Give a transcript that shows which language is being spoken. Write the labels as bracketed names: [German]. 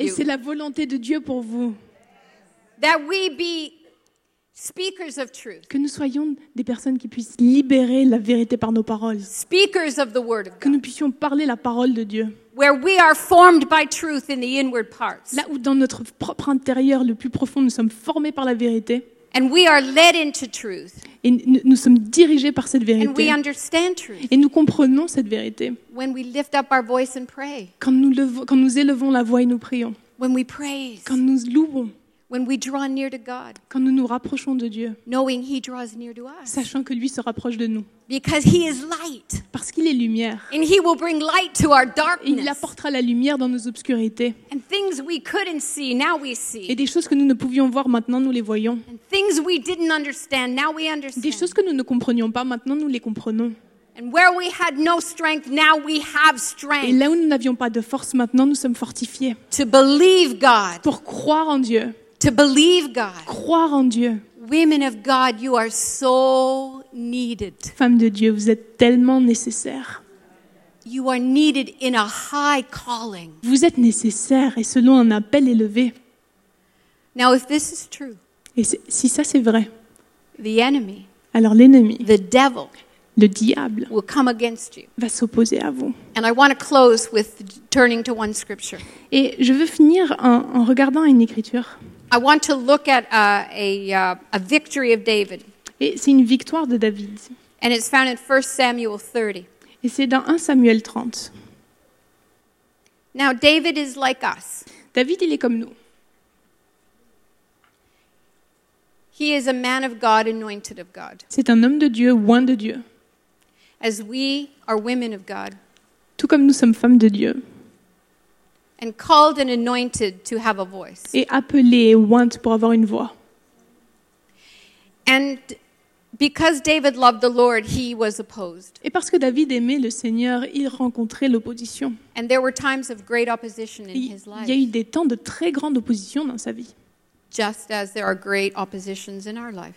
[French] Et c'est la volonté de Dieu pour vous. [English] That we be speakers of truth. [French] Que nous soyons des personnes qui puissent libérer la vérité par nos paroles. [English] Speakers of the word of God. [French] Que nous puissions parler la parole de Dieu. [English] Where we are formed by truth in the inward parts. [French] Là où dans notre propre intérieur le plus profond nous sommes formés par la vérité. [English] And we are led into truth. [French] Et nous sommes dirigés par cette vérité. [English] And we understand truth. [French] Et nous comprenons cette vérité. [English] When we lift up our voice and pray. [French] Quand nous élevons la voix et nous prions. [English] When we praise. [French] Quand nous louons. [English] When we draw near to God. [French] Quand nous nous rapprochons de Dieu. [English] Knowing he draws near to us. [French] Sachant que lui se rapproche de nous. [English] Because he is light. [French] Parce qu'il est lumière. [English] And he will bring light to our darkness. [French] Et il apportera la lumière dans nos obscurités. [English] And things we couldn't see, now we see. [French] Et des choses que nous ne pouvions voir, maintenant nous les voyons. [English] And things we didn't understand, now we understand. [French] Des choses que nous ne comprenions pas, maintenant nous les comprenons. [English] And where we had no strength, now we have strength. [French] Et là où nous n'avions pas de force, maintenant nous sommes fortifiés. [English] To believe God. [French] Pour croire en Dieu. [English] To believe God. [French] Croire en Dieu. [English] Women of God, you are so needed. [French] Femmes de Dieu, vous êtes tellement nécessaires. [English] You are needed in a high calling. [French] Vous êtes nécessaires et selon un appel élevé. [English] Now, if this is true, [French] et si ça c'est vrai, [English] the enemy, [French] alors l'ennemi, [English] the devil, [French] le diable, [English] will come against you. [French] Va s'opposer à vous. [English] And I want to close with turning to one scripture. [French] Et je veux finir en regardant une écriture. [English] I want to look at a victory of David. [French] Et c'est une victoire de David. [English] And it's found in 1 Samuel 30. [French] Et c'est dans 1 Samuel 30. [English] Now David is like us. [French] David, il est comme nous. [English] He is a man of God, anointed of God. [French] C'est un homme de Dieu, oint de Dieu. [English] As we are women of God. [French] Tout comme nous sommes femmes de Dieu. [English] And called and anointed to have a voice. [French] Et appelé et oint pour avoir une voix. [English] And because David loved the Lord, he was opposed. [French] Et parce que David aimait le Seigneur, il rencontrait l'opposition. [English] And there were times of great opposition in his life. [French] Il y a eu des temps de très grande opposition dans sa vie. [English] Just as there are great oppositions in our life.